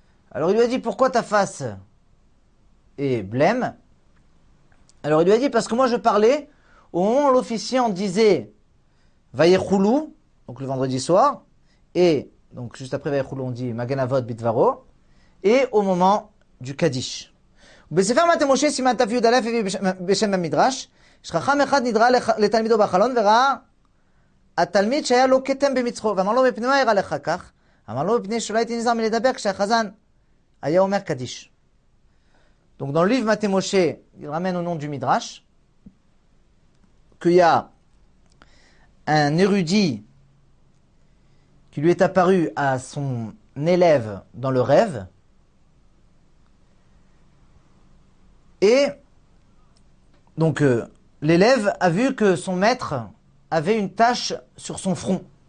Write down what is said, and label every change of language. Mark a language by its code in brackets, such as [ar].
[fr] Alors il lui a dit, pourquoi ta face est blême? Alors il lui a dit, parce que moi je parlais au moment où l'officiant disait Vayechoulou, donc le vendredi soir, et donc juste après Vayechoulou on dit Maganavot Bitvaro, et au moment du Kaddish. [he] בספר מתי משה סימן תו יהודה לפי בשם המדרש, שכחם אחד נדרה לתלמידו בחלון וראה התלמיד שהיה לו קטם במצחו, ואמר לו מפני מה הראה לך כך? אמר לו מפני שאולי הייתי נזר מלדבר כשהחזן היה אומר קדיש. [fr] Donc dans le livre מתי משה, il ramène au nom du midrash, qu'il y a un érudit qui lui est apparu à son élève dans le rêve, et donc l'élève a vu que son maître avait une tache sur son front.